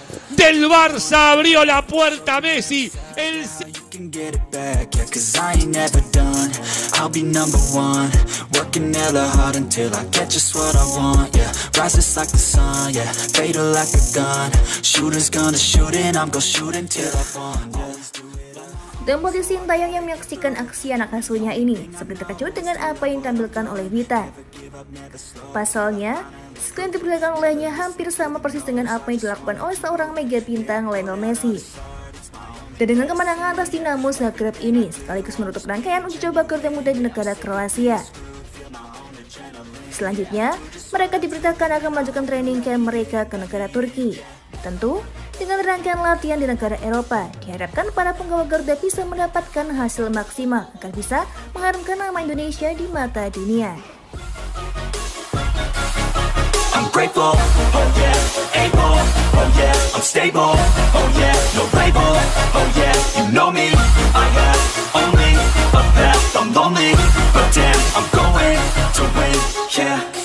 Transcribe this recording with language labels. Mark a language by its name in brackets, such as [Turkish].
[Spanish] Del Barça abrió la puerta Messi, el... [English] Get it back, yeah, cause I ain't never done. I'll be number one, working hella hard until I get just what I want, yeah. Rises like the sun, yeah, fatal like a gun. Shooters gonna shoot and I'm gonna shoot until I fall. [Indonesian] Dan posisi Sintayong yang menyaksikan aksi anak asuhnya ini seperti terkejut dengan apa yang ditampilkan oleh Witan. Pasalnya, skill yang diperlihatkan olehnya hampir sama persis dengan apa yang dilakukan oleh seorang mega bintang Lionel Messi. Dan dengan kemenangan atas Dinamo Zagreb ini, sekaligus menutup rangkaian uji coba Garuda Muda di negara Kroasia. Selanjutnya, mereka diberitakan akan melanjutkan training camp mereka ke negara Turki. Tentu, dengan rangkaian latihan di negara Eropa, diharapkan para penggawa Garuda bisa mendapatkan hasil maksimal agar bisa mengharumkan nama Indonesia di mata dunia. [English] I'm grateful, oh yeah, able, oh yeah, I'm stable, oh yeah, no label, oh yeah, you know me, I have only a path, I'm lonely, but damn, I'm going to win, yeah.